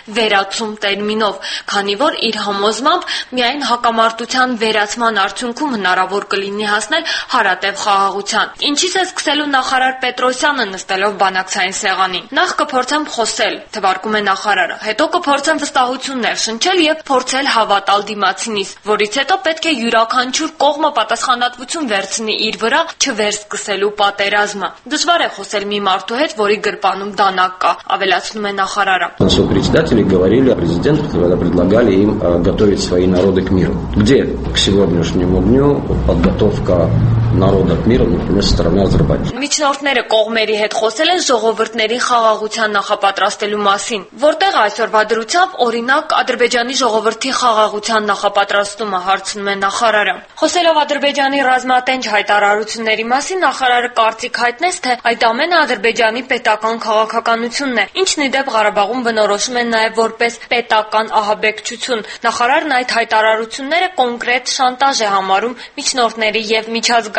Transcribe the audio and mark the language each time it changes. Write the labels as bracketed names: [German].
[Armenian] վերացում տերմինով, քանի որ իր համոզմամբ միայն հակամարտության վերացման արդյունքում հնարավոր կլինի հասնել հարատև խաղաղության։ Ինչից է սկսելու նախարար Պետրոսյանը նստելով բանակցային սեղանին։ Նախ կփորձեմ խոսել, թվարկում է նախարարը, հետո կփորձեմ վստահություն ներշնչել եւ փորձել հավատալ դիմացինիս, որից հետո պետք է յուրաքանչյուր կողմը պատասխանատվություն վերցնի իր վրա չվերսկսելու պատերազմը։ Դժվար է խոսել մի մարդու հետ, որի գրպանում դանակ կա, ավելացնում է նախարարը։ [Russian] Сопредседатели говорили о президенте, когда предлагали им готовить свои народы к миру. Где к сегодняшнему дню подготовка народа к миру, например, со стороны Азербайджана? [Armenian] Միջնորդները կողմերի հետ խոսել են ժողովրդների խաղաղության նախապատրաստելու մասին, որտեղ այսօրվա դրությամբ օրինակ Ադրբեջանի ժողովրդի խաղաղության նախապատրաստումը հարցնում է նախարարը։ Խոսելով Ադրբեջանի ռազմատենչ հայտարարությունների մասին, նախարարը կարծիք հայտնեց, թե այդ ամենը Ադրբեջանի պետական քաղաքականությունն է, ինչն ի դեպ Ղարաբաղում բնորոշում են նաև որպես պետական ահաբեկչություն։ Նախարարն այդ հայտարարությունները կոնկրետ շանտաժ է համարում միջնորդների եւ միջազգային